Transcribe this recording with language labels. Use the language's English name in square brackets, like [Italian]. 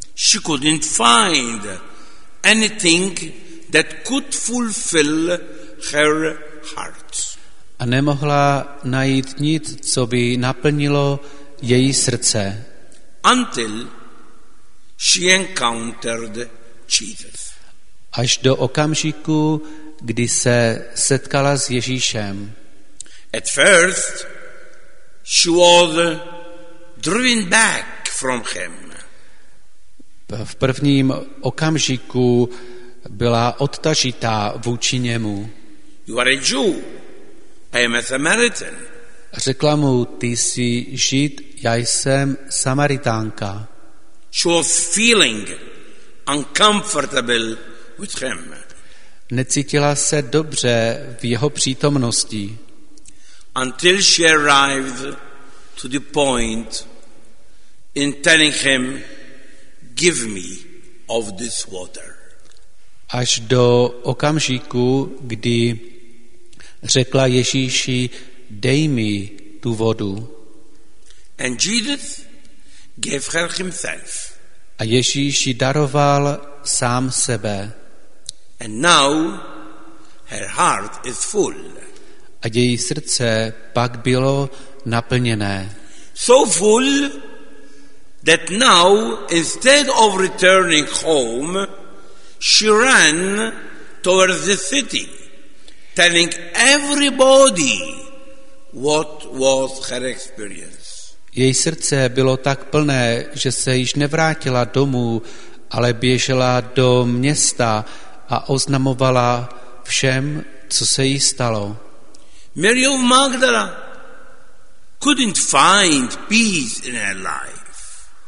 [English] She couldn't find anything that could fulfill her heart. [Czech] A nemohla najít nic, co by naplnilo její srdce. [English] Until she encountered Jesus. [Czech] Až do okamžiku, kdy se setkala s Ježíšem. [English] At first she was driven back from him. [Czech] V prvním okamžiku byla odtažitá vůči němu. [English] You are a Jew. I am a Samaritan. [Czech] Řekla mu, ty jsi Žid, já jsem Samaritánka. [English] She was feeling uncomfortable with him. [Czech] Necítila se dobře v jeho přítomnosti. [English] Until she arrived to the point in telling him, give me of this water. [Czech] Až do okamžiku, kdy řekla Ježíši, dej mi tu vodu. [English] And Jesus gave her himself. [Czech] A Ježíš jí daroval sám sebe. [English] And now her heart is full. [Czech] A její srdce pak bylo naplněné. [English] So full that now instead of returning home, she ran towards the city, telling everybody what was her experience. [Czech] Její srdce bylo tak plné, že se již nevrátila domů, ale běžela do města a oznamovala všem, co se jí stalo. [English] Mary of Magdala couldn't find peace in her life.